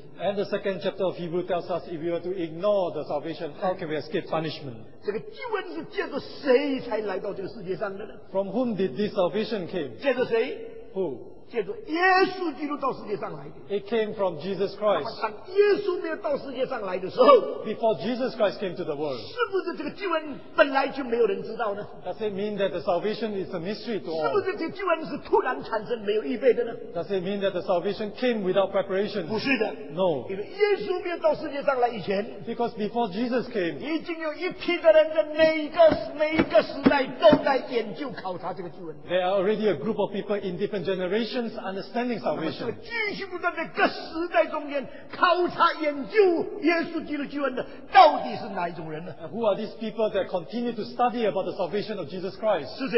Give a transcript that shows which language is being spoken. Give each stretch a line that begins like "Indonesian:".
English: ？And the second chapter of Hebrews tells us, if we were to ignore the salvation, how can we escape punishment?
Chinese: 这个救恩是借着谁才来到这个世界上的呢
English: ？From whom did this salvation came?
Chinese: 借着谁
English: ？Who?
Chinese: 借着耶稣基督到世界上来的。
English: It came from Jesus Christ.
Chinese: 当耶稣没有到世界上来的时候
English: ，Before Jesus Christ came to the world，
Chinese: 是不是这个救恩本来就没有人知道呢
English: ？Does it mean that the salvation is a mystery to all？
Chinese: 是不是这个救恩是突然产生，没有预备的呢
English: ？Does it mean that the salvation came without preparation？
Chinese: 不是的
English: ，No。
Chinese: 因为耶稣没有到世界上来以前
English: ，Because before Jesus came，
Chinese: 已经有一批的人在每个时代都在研究考察这个救恩。
English: There are already a group of people in different generations. Understanding salvation.
Chinese: 继续不断在各时代中间考察研究耶稣基督救恩的到底是哪一种人呢？
English: Who are these people that continue to study about the salvation of Jesus Christ?